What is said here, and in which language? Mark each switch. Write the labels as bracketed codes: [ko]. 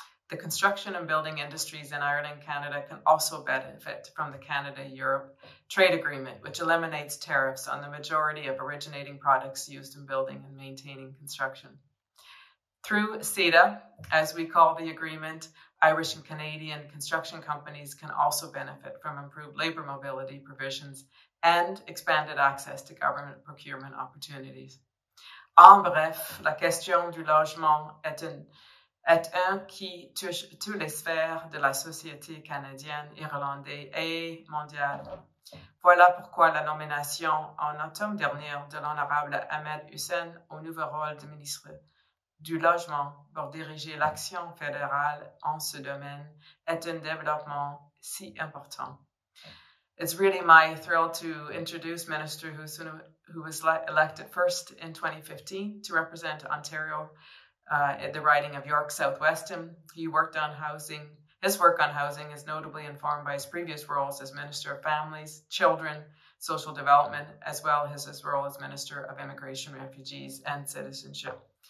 [en] The construction and building industries in Ireland and Canada can also benefit from the Canada-Europe Trade Agreement, which eliminates tariffs on the majority of originating products used in building and maintaining construction. Through CETA, as we call the agreement, Irish and Canadian construction companies can also benefit from improved labour mobility provisions and expanded access to government procurement opportunities. [fr] En bref, la question du logement est un qui touche toutes les sphères de la société canadienne, irlandaise et mondiale. Voilà pourquoi la nomination en automne dernier de l'honorable Ahmed Hussein au nouveau rôle de ministre du logement pour diriger l'action fédérale en ce domaine est un développement si important. [en] It's really my thrill to introduce Minister Hussein, who was elected first in 2015 to represent Ontario in the riding of York Southwestern. He worked on housing His work on housing is notably informed by his previous roles as Minister of Families, Children, Social Development, as well as his role as Minister of Immigration, Refugees and Citizenship.